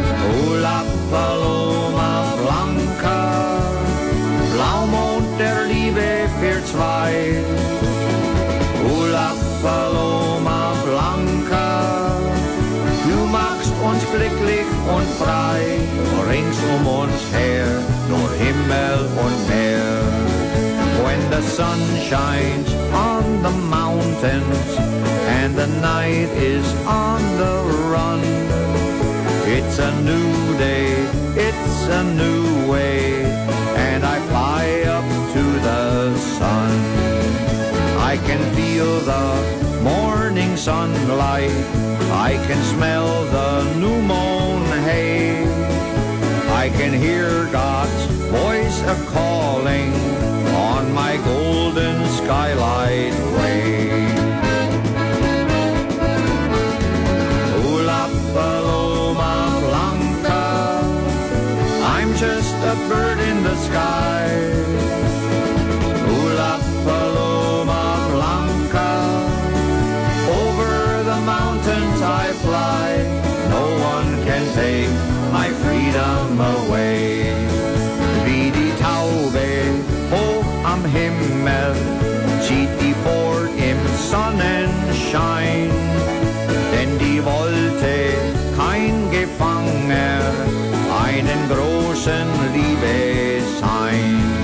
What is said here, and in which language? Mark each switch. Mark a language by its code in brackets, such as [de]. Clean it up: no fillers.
[de] Hula Paloma Blanca, Blaumond der Liebe für zwei. Hula Paloma Blanca, du machst uns glücklich und frei. Rings um uns her, nur Himmel und Meer. [en] When the sun shines on the mountains and the night is on the run, it's a new day, it's a new way, and I fly up to the sun. I can feel the morning sunlight, I can smell the new mown hay. I can hear God's voice a-calling on my golden skylight way. Hula Paloma Blanca, I'm just a bird in the sky. Hula Paloma Blanca, over the mountains I fly. No one can take my freedom away. [de] Wie die Taube hoch am Himmel, zieht die vor im Sonnenschein. Denn die wollte kein Gefanger, einen großen Liebe sein.